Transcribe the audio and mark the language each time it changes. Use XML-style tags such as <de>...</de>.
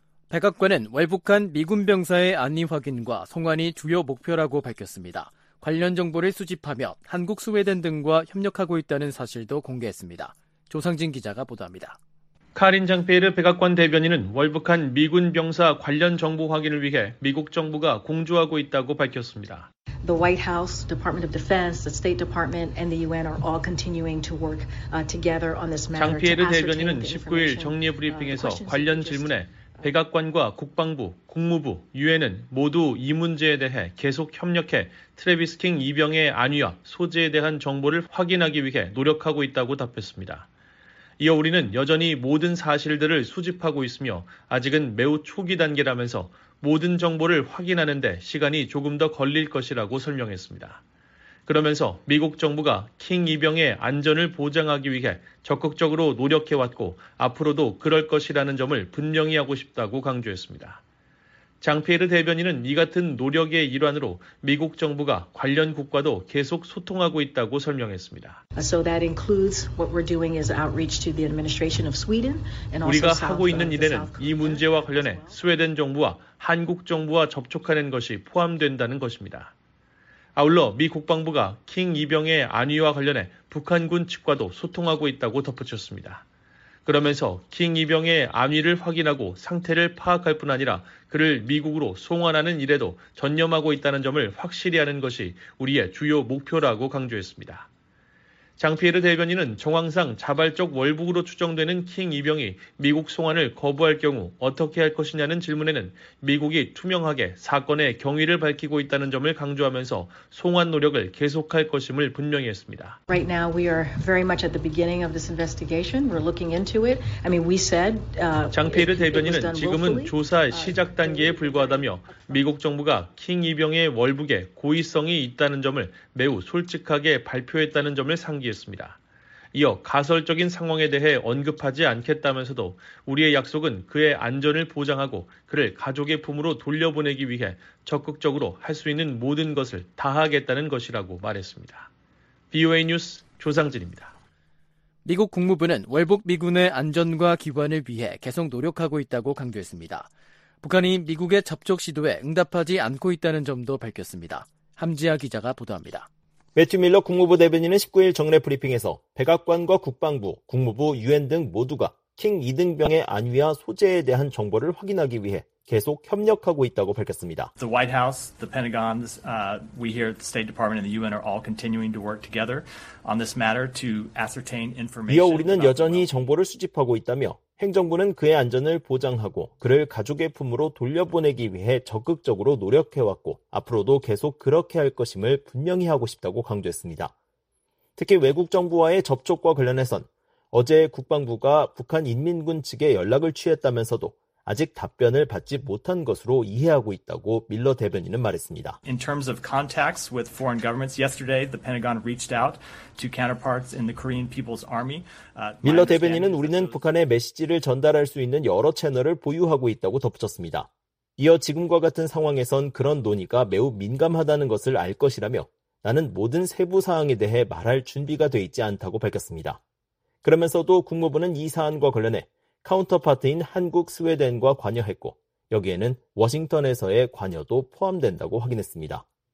<ko>백악관은 월북한 미군 병사의 안위 확인과 송환이 주요 목표라고 밝혔습니다. 관련 정보를 수집하며 한국, 스웨덴 등과 협력하고 있다는 사실도 공개했습니다. 조상진 기자가 보도합니다. 카린 장페르 백악관 대변인은 월북한 미군 병사 관련 정보 확인을 위해 미국 정부가 공조하고 있다고 밝혔습니다.</ko> <en>The White House, Department of Defense, the State Department, and the UN are all continuing to work together on this matter.</en> <ko>장피에르 대변인은 19일 정례 브리핑에서 관련 질문에 백악관과 국방부, 국무부, 유엔은 모두 이 문제에 대해 계속 협력해 트래비스 킹 이병의 안위와 소재에 대한 정보를 확인하기 위해 노력하고 있다고 답했습니다. 이어 우리는 여전히 모든 사실들을 수집하고 있으며 아직은 매우 초기 단계라면서 모든 정보를 확인하는 데 시간이 조금 더 걸릴 것이라고 설명했습니다. 그러면서 미국 정부가 킹 이병의 안전을 보장하기 위해 적극적으로 노력해왔고 앞으로도 그럴 것이라는 점을 분명히 하고 싶다고 강조했습니다. 장피에르 대변인은 이 같은 노력의 일환으로 미국 정부가 관련 국가도 계속 소통하고 있다고 설명했습니다.</ko> <en>So that includes what we're doing is outreach to the administration of Sweden and also</en> <ko>우리가 하고 있는 일에는 이 문제와 관련해 스웨덴 정부와 한국 정부와 접촉하는 것이 포함된다는 것입니다. 아울러 미 국방부가 킹 이병의 안위와 관련해 북한군 측과도 소통하고 있다고 덧붙였습니다. 그러면서 킹 이병의 안위를 확인하고 상태를 파악할 뿐 아니라 그를 미국으로 송환하는 일에도 전념하고 있다는 점을 확실히 하는 것이 우리의 주요 목표라고 강조했습니다. 장피에르 대변인은 정황상 자발적 월북으로 추정되는 킹 이병이 미국 송환을 거부할 경우 어떻게 할 것이냐는 질문에는 미국이 투명하게 사건의 경위를 밝히고 있다는 점을 강조하면서 송환 노력을 계속할 것임을 분명히 했습니다.</ko> <en>Right now we are very much at the beginning of this investigation. We're looking into it. I mean, we said</en> <ko>장피에르 대변인은 지금은 조사 시작 단계에 불과하다며 미국 정부가 킹 이병의 월북에 고의성이 있다는 점을 매우 솔직하게 발표했다는 점을 상기했습니다. 이어 가설적인 상황에 대해 언급하지 않겠다면서도 우리의 약속은 그의 안전을 보장하고 그를 가족의 품으로 돌려보내기 위해 적극적으로 할 수 있는 모든 것을 다하겠다는 것이라고 말했습니다. VOA 뉴스 조상진입니다. 미국 국무부는 월북 미군의 안전과 기관을 위해 계속 노력하고 있다고 강조했습니다. 북한이 미국의 접촉 시도에 응답하지 않고 있다는 점도 밝혔습니다. 함지아 기자가 보도합니다. 매튜 밀러 국무부 대변인은 19일 정례 브리핑에서 백악관과 국방부, 국무부, 유엔 등 모두가 킹 이등병의 안위와 소재에 대한 정보를 확인하기 위해 계속 협력하고 있다고 밝혔습니다.</ko> <en>The White House, the Pentagon, we here at the State Department and the UN are all continuing to work together on this matter to ascertain information.</en> <ko>이어 우리는 여전히 정보를 수집하고 있다며 행정부는 그의 안전을 보장하고 그를 가족의 품으로 돌려보내기 위해 적극적으로 노력해왔고 앞으로도 계속 그렇게 할 것임을 분명히 하고 싶다고 강조했습니다. 특히 외국 정부와의 접촉과 관련해선 어제 국방부가 북한 인민군 측에 연락을 취했다면서도 아직 답변을 받지 못한 것으로 이해하고 있다고 밀러 대변인은 말했습니다.</ko> <en>In terms of contacts with foreign governments, yesterday the Pentagon reached out to counterparts in the Korean People's Army.</en> <ko>밀러 대변인은 우리는 북한의 메시지를 전달할 수 있는 여러 채널을 보유하고 있다고 덧붙였습니다. 이어 지금과 같은 상황에선 그런 논의가 매우 민감하다는 것을 알 것이라며 나는 모든 세부 사항에 대해 말할 준비가 돼 있지 않다고 밝혔습니다. 그러면서도 국무부는 이 사안과 관련해 카운터파트인 한국, 스웨덴과 관여했고 여기에는 워싱턴에서의 관여도 포함된다고 확인했습니다.</ko>